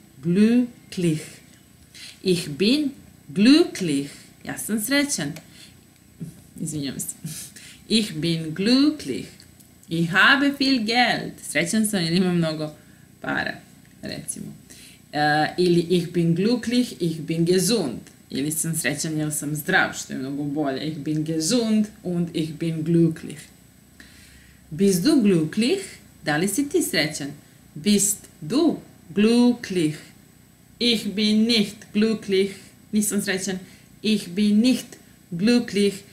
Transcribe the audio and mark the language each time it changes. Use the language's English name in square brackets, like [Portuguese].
[German] Glücklich. Ich bin glücklich. [Serbian] Ja sam srećan. Izvinjam se. [German] Ich bin glücklich. Ich habe viel Geld. [Serbian] Srećan sam jer imam mnogo para, recimo. [German] Ili ich bin glücklich, ich bin gesund. [Serbian] Ili sam srećan jer sam zdrav, što je mnogo bolje. [German] Ich bin gesund und ich bin glücklich. Bist du glücklich? [Serbian] Da li si ti srećan? [German] Bist du glücklich? Ich bin nicht glücklich. [Serbian] Nisam srećan. [German] Ich bin nicht glücklich.